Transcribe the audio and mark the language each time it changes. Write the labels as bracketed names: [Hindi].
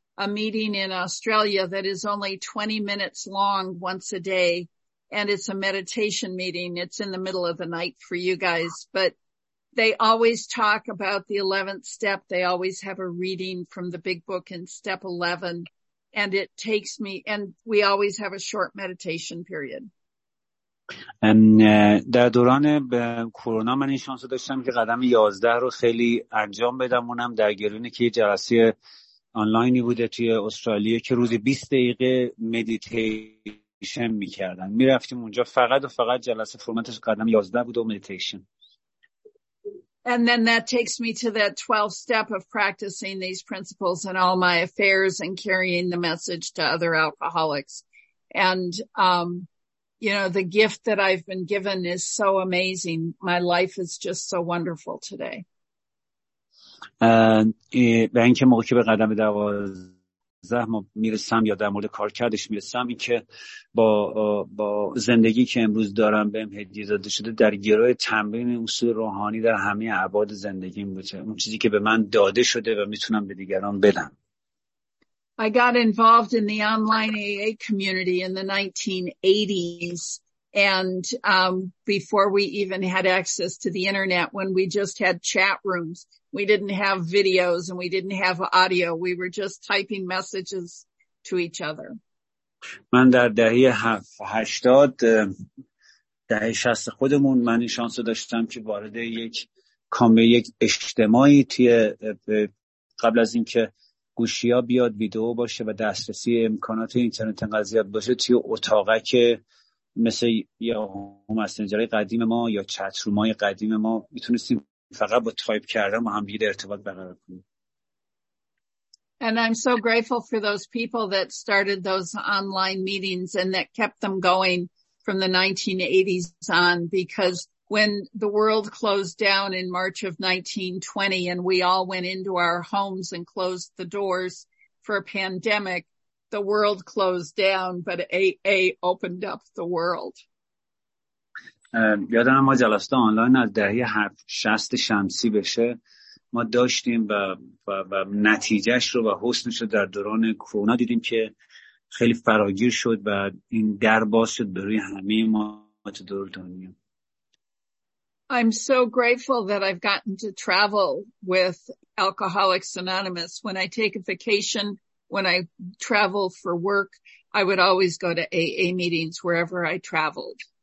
[English] a meeting in Australia that is only 20 minutes long once a day, and it's a meditation meeting. It's in the middle of the night for you guys, but they always talk about the 11th step. They always have a reading from the big book in step 11, and it takes me, and we always have a short meditation period. [Persian] در دوران کرونا من این شانس رو داشتم که قدم 11 رو خیلی انجام بدم، اونم در گرونه که یه جلسه آنلاینی بوده توی استرالیا که روزی 20 دقیقه مدیتیشن میکردن، میرفتیم اونجا فقط و فقط جلسه، فرمتش قدم 11 بود و مدیتیشن. [English] And then that takes me to that 12th step of practicing these principles in all my affairs and carrying the message to other alcoholics. And you know, the gift that I've been given is so amazing. My life is just so wonderful today. [Persian] من که موقعی به قدم 12 میرسم یا در مورد کارکردش میرسم، این که با زندگی که امروز دارم بهم هدیه داده شده، در گروه تمرین اصول روحانی در همه ابعاد زندگیم بوده، اون چیزی که به من داده شده و میتونم به دیگران بدم. [English] I got involved in the online AA community in the 1980s, and before we even had access to the internet, when we just had chat rooms, we didn't have videos and we didn't have audio. We were just typing messages to each other. [Persian] من در دهه 80 دهه 60 خودمون من شانس داشتم که وارد یک اجتماعی توی قبل از اینکه گوشی ها بیاد ویدئو باشه و دسترسی امکانات اینترنت انقدر زیاد باشه، توی اتاقه که مثل یا مسنجر قدیم ما یا چت روم های قدیم ما میتونستیم فقط با تایپ کردن با هم دیگه ارتباط برقرار کنیم. [English] And I'm so grateful for those people that started those online meetings and that kept them going from the 1980s on, because when the world closed down in March of 1920 and we all went into our homes and closed the doors for a pandemic, the world closed down, but AA opened up the world. [Persian] یادم ما جلسات آنلاین از دهه 60 شمسی بشه ما داشتیم و نتیجهش رو و حسنش رو در دوران کرونا دیدیم که خیلی فراگیر شد و این در باز شد برای همه ما تو دور دنیا. [English] I'm so grateful that I've gotten to travel with Alcoholics Anonymous. When I take a vacation, when I travel for work, I would always go to AA meetings wherever I traveled.